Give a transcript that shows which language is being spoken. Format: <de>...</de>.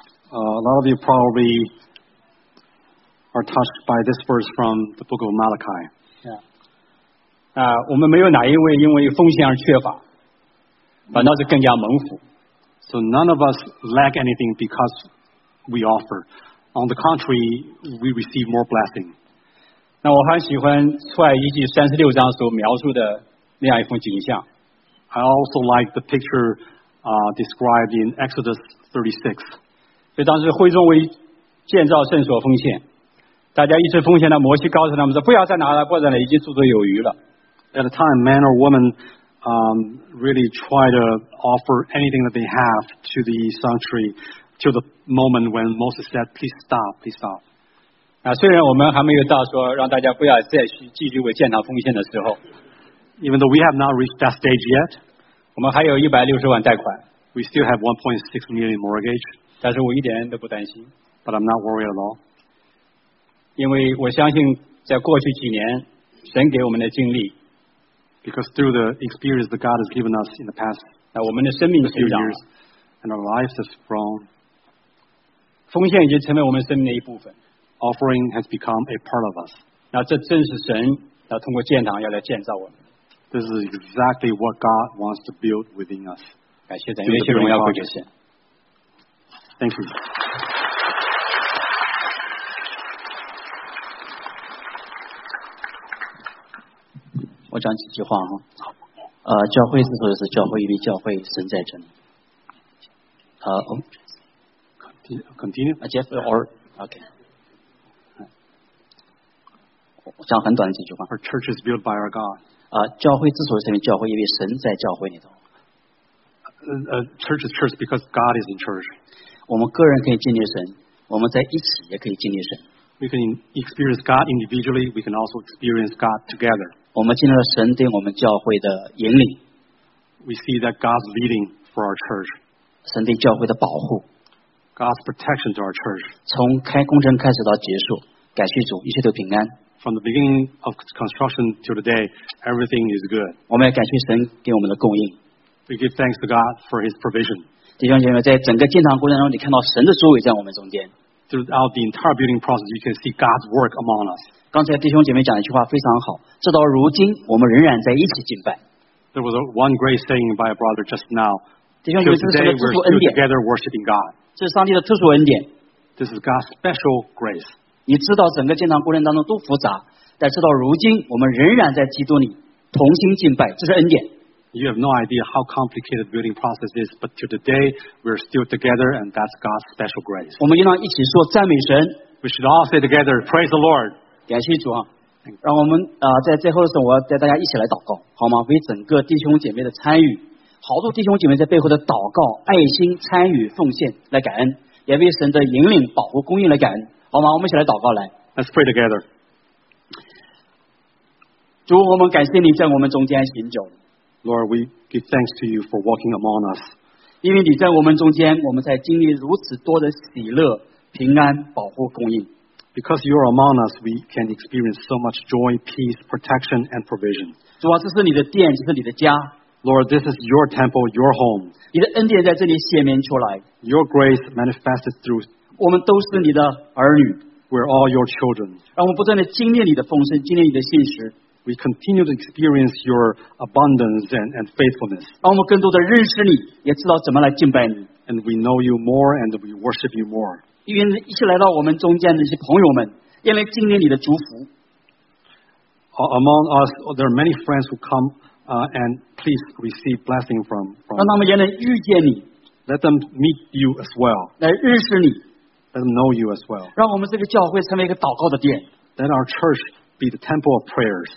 <en>A lot of you probably are touched by this verse from the book of Malachi. Yeah.</en> <zh>我们没有哪一位因为奉献而缺乏，反倒是更加蒙福。</zh> <en>So none of us lack anything because we offer. On the contrary, we receive more blessing.</en> <zh>那我很喜欢出埃及记36章所描述的那样一幅景象。</zh> <en>I also like the picture described in Exodus 36.</en> <zh>所以当时会众为建造圣所奉献，大家一直奉献到摩西告诉他们说不要再拿了，不然已经绰绰有余了。</zh> <en>At the time, man or woman really try to offer anything that they have to the sanctuary to the moment when Moses said, please stop, please stop.</en> <zh>虽然我们还没有到说让大家不要再去继续为建造奉献的时候，</zh> <en>Even though we have not reached that stage yet,</en> <zh>我们还有160万贷款。</zh> <en>We still have 1.6 million mortgage.</en> <zh>但是我一点都不担心。</zh> <en>But I'm not worried at all.</en> <zh>因为我相信，在过去几年，神给我们的经历。</zh> <en>Because through the experience that God has given us in the past,</en> <zh>那我们的生命成长</zh> <en>years, and our lives have grown.</en> <zh>奉献已经成为我们生命的一部分。</zh> <en>Offering has become a part of us.</en> <zh>那这正是神要通过建堂要来建造我们。</zh> <en>This is exactly what God wants to build within us.</en> <zh>感谢神，愿神荣耀归给神。</zh> <en>Thank you. I'll take a few words.</en> <zh>教会是或者是教会与教会存在着呢？好</zh> <en>，continue Jeff or OK。</en> <zh>我讲很短的几句话。</zh> <en>Our church is built by our God。</en> <zh>教会之所以成为教会，因为神在教会里头。</zh> <en>Church is church because God is in church。</en> <zh>我们个人可以经历神，我们在一起也可以经历神。</zh> <en>We can experience God individually. We can also experience God together。</en> <zh>我们经历了神对我们教会的引领。</zh> <en>We see that God's leading for our church。</en> <zh>神对教会的保护。</zh> <en>God's protection to our church。</en> <zh>从开工程开始到结束，感谢主，一切都平安。</zh> <en>From the beginning of construction to today, everything is good.</en> <zh>我们要感谢神给我们的供应。</zh> <en>We give thanks to God for His provision.</en> <zh>弟兄姐妹，在整个建堂过程中，你看到神的作为在我们中间。</zh> <en>Throughout the entire building process, you can see God's work among us.</en> <zh>刚才弟兄姐妹讲一句话非常好，直到如今，我们仍然在一起敬拜。</zh> <en>There was one great saying by a brother just now.</en> <zh>弟兄姐妹，这是神的特殊恩典。</zh> <en>Together worshiping God.</en> <zh>这是上帝的特殊恩典。</zh> <en>This is God's special grace.</en> <zh>你知道整个建堂过程当中都复杂，但知道如今我们仍然在基督里同心敬拜，这是恩典。</zh> <en>You have no idea how complicated the building process is, but to today we're still together, and that's God's special grace.</en> <zh>我们应当一起说赞美神。</zh> <en>We should all say together, praise the Lord.</en> <zh>感谢主啊！让我们在最后的时候，我要带大家一起来祷告，好吗？为整个弟兄姐妹的参与，好多弟兄姐妹在背后的祷告、爱心、参与、奉献来感恩，也为神的引领、保护、供应来感恩。好吗？我们一起来祷告来。</zh> <en>Let's pray together。</en> <zh>主，我们感谢你在我们中间行走。</zh> <en>Lord, we give thanks to you for walking among us。</en> <zh>因为你在我们中间，我们才经历如此多的喜乐、平安、保护、供应。</zh> <en>Because you are among us, we can experience so much joy, peace, protection, and provision。</en> <zh>主啊，这是你的殿，这是你的家。</zh> <en>Lord, this is your temple, your home。</en> <zh>你的恩典在这里显明出来。</zh> <en>Your grace manifested through。</en> <zh>我们都是你的儿女</zh> <en>We're all your children</en> <zh>让我们不断地经历你的丰盛经历你的信实</zh> <en>We continue to experience your abundance and faithfulness</en> <zh>让我们更多地认识你也知道怎么来敬拜你</zh> <en>And we know you more and we worship you more</en> <zh>愿一起来到我们中间的一些朋友们愿来经历你的祝福</zh> <en>Among us, there are many friends who come and please receive blessing from</en> <zh>让他们也能遇见你</zh> <en>Let them meet you as well</en> <zh>来认识你</zh> <en>Let them know you as well.</en> <zh>让我们这个教会成为一个祷告的殿。</zh> <en>Let our church be the temple of prayers.</en>